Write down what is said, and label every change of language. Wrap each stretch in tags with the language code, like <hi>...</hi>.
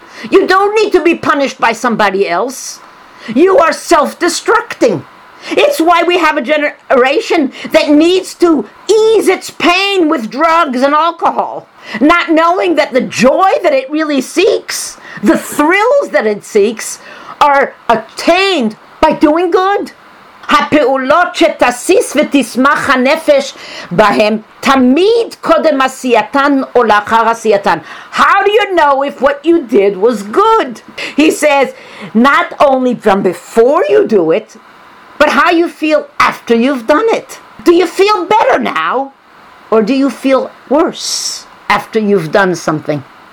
<en>You don't need to be punished by somebody else. You are self-destructing. It's why we have a generation that needs to ease its pain with drugs and alcohol, not knowing that the joy that it really seeks, the thrills that it seeks, are attained by doing good.</en> <he>הפעולות שתסיס ותשמח הנפש בהם תמיד קודם עשייתן או לאחר עשייתן.</he> <en>How do you know if what you did was good? He says, not only from before you do it, but how you feel after you've done it. Do you feel better now, or do you feel worse after you've done something?</en>